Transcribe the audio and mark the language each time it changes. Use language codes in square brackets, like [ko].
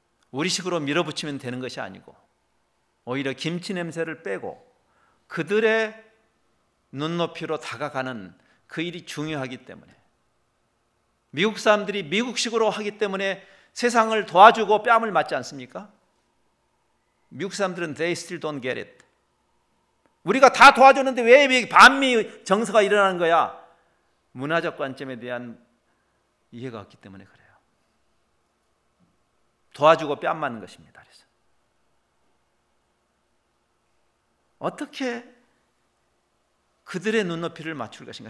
[ko] 우리식으로 밀어붙이면 되는 것이 아니고 오히려 김치 냄새를 빼고 그들의 눈높이로 다가가는 그 일이 중요하기 때문에 미국 사람들이 미국식으로 하기 때문에 세상을 도와주고 뺨을 맞지 않습니까? 미국 사람들은 [en] they still don't get it. [ko] 우리가 다 도와주는데 왜 반미 정서가 일어나는 거야? 문화적 관점에 대한 이해가 없기 때문에 그래요. 도와주고 뺨 맞는 것입니다. 그래서 어떻게 그들의 눈높이를 맞출 것인가?